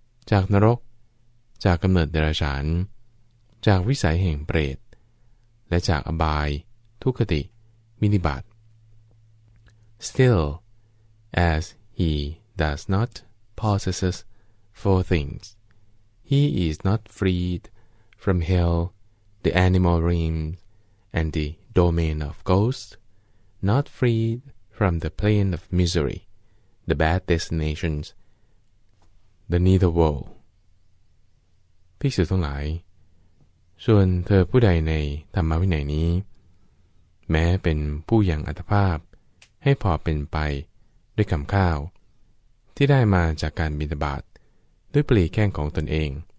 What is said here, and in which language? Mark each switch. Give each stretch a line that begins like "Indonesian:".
English: จากนรกจากกำเนิดเดรัจฉานจากวิสัยแห่งเปรตและจากอบายทุคติวินิบาต Still, as he does not possess 4 things, he is not freed from hell, the animal realms, and the domain of ghosts, not freed. From the plane of misery, the bad destinations, the nether world.
Thai: ภิกษุทั้งหลายส่วนเธอผู้ใดในธรรมวินัยนี้แม้เป็นผู้ยังอัตภาพให้พอเป็นไปด้วยคำข้าวที่ได้มาจากการบิณฑบาตด้วยปลีแข้งของตนเอง